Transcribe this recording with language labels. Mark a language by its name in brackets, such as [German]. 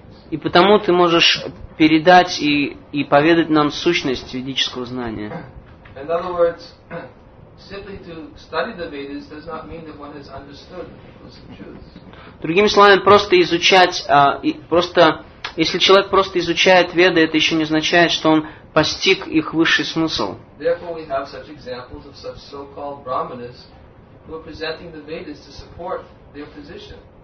[Russian] И потому ты можешь передать и поведать нам сущность ведического знания. [English] In other words, simply to study the Vedas does not mean that one has understood the truth. [Russian] Другими словами, просто изучать, если человек просто изучает Веды, это еще не означает, что он постиг их высший смысл. [English] Therefore, we have such examples of such so-called brahmanas who are presenting the Vedas to support their position.